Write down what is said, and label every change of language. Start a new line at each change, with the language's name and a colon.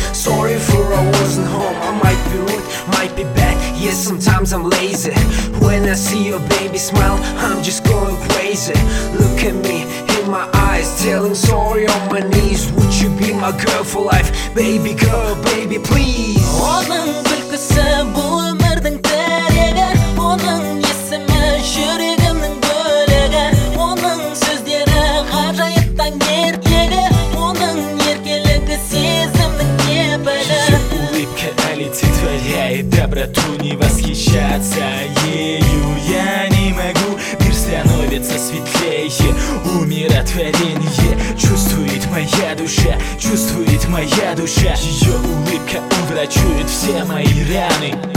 English: Sorry for I wasn't home. I might be rude, might be bad. Yeah, sometimes I'm lazy. When I see your baby smile, I'm just going crazy. Look at me in my eyes, telling sorry on my knees. Would you be my girl for life? Baby girl, baby please.
Kazakh: Оның күлкісі бұл өмірдің тірегі. Оның есімі жүрегімнің бөлігі. Оның сөздері ғажайыптан ертегі. Оның еркелігі сезімнің кепілі.
Russian: Улыбка на лице твоей, доброту не восхищаться ею я не могу. Мир становится светлее, умиротворение чувствует моя душа, чувствует моя душа. Ее улыбка уврачует все мои раны.